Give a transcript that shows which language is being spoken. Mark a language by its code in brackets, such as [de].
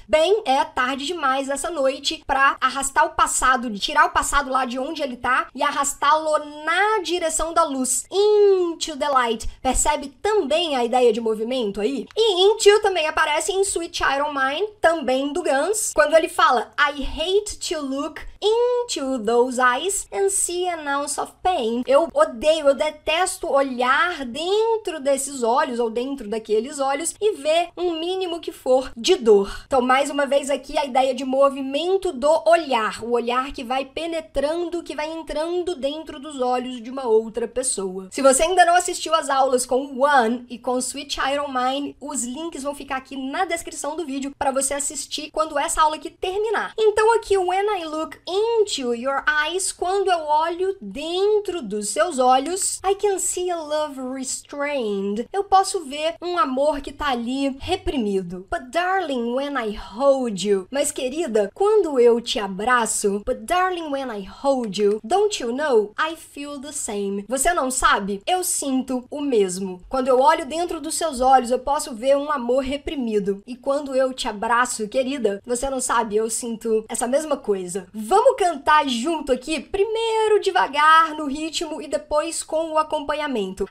[pt] Bem, é tarde demais essa noite pra arrastar o passado, tirar o passado lá de onde ele tá e arrastá-lo na direção da luz, [en] into the light. [pt] Percebe também a ideia de movimento aí? E into também aparece em Sweet Child O' Mine, também do Guns, quando ele fala [en] I hate to look into those eyes and see an ounce of pain. [pt] Eu odeio, eu detesto olhar dentro desses olhos ou dentro daqueles olhos e ver um mínimo que for de dor. Então, mais uma vez aqui, a ideia de movimento do olhar. O olhar que vai penetrando, que vai entrando dentro dos olhos de uma outra pessoa. Se você ainda não assistiu as aulas com o One e com o Switch Iron Mind, os links vão ficar aqui na descrição do vídeo para você assistir quando essa aula aqui terminar. Então aqui, [en] when I look into your eyes, [pt] quando eu olho dentro dos seus olhos, [en] I can see a love restrained. [pt] Eu posso ver um amor que tá ali reprimido. [en] But darling, when I hold you. [pt] Mas querida, quando eu te abraço, [en] but darling, when I hold you, don't you know? I feel the same. [pt] Você não sabe? Eu sinto o mesmo. Quando eu olho dentro dos seus olhos, eu posso ver um amor reprimido. E quando eu te abraço, querida, você não sabe, eu sinto essa mesma coisa. Vamos cantar junto aqui? Primeiro devagar, no ritmo, e depois com o acompanhamento.